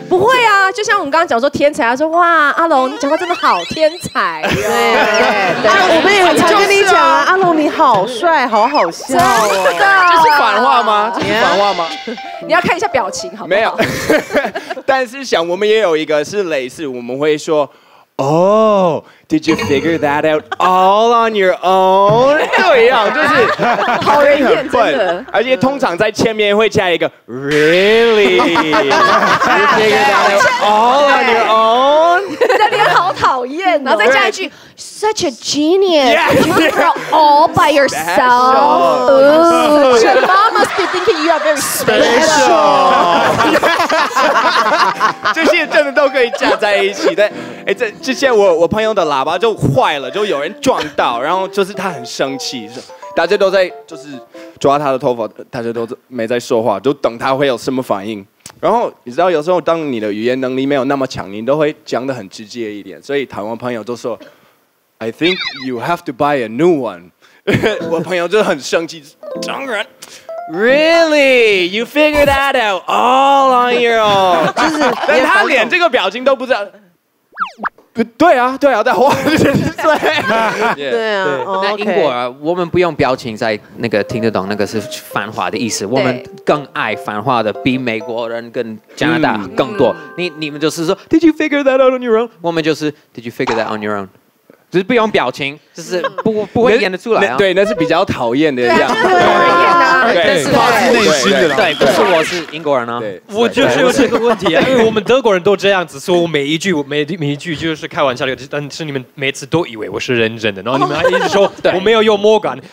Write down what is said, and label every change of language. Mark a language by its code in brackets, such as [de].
[zh] 不会啊，就像我们刚刚讲说天才，他说哇阿龙你讲话真的好天才，对，我们也很常跟你讲啊，阿龙你好帅，好好笑哦！真的，这是反话吗？这是反话吗？ Yeah. 你要看一下表情，好不好？没有，但是想我们也有一个是类似，我们会说。 [en] Oh, did you figure that out all on your own? [zh] 就一样，就是好人很笨，而且通常在前面会加一个 really. [en] Did you figure that out all on your own? [zh] 你的脸好讨厌，然后再加一句 [en] such a genius. You are all by yourself. Ooh, your mom must be thinking you are very special. [zh] 这些真的都可以加在一起，但哎，这之前我朋友的喇叭就坏了，就有人撞到，然后就是他很生气，大家都在就是抓他的头发，大家都没在说话，就等他会有什么反应。然后你知道，有时候当你的语言能力没有那么强，你都会讲得很直接一点。所以台湾朋友就说 ， [en] I think you have to buy a new one 。 [zh] 我朋友就很生气，当然。 [en] Really? You figured that out all on your own? [zh] 就是，但他脸这个表情都不知道。对啊，对啊，在画，对啊，对啊。那英国啊，我们不用表情在那个听得懂那个是繁华的意思，我们更爱繁华的，比美国人跟加拿大更多。你们就是说 ， [en] Did you figure that out on your own? [zh] 我们就是 [en] Did you figure that on your own? [zh] 就是不用表情，就是不会演得出来、啊。对，那是比较讨厌的样子。对，发自内心的。对，不是我是英国人啊。我就是有这个问题、啊，因为我们德国人都这样子说，我每一句就是开玩笑，但是你们每次都以为我是认真的，然后你们还一直说我没有幽默感。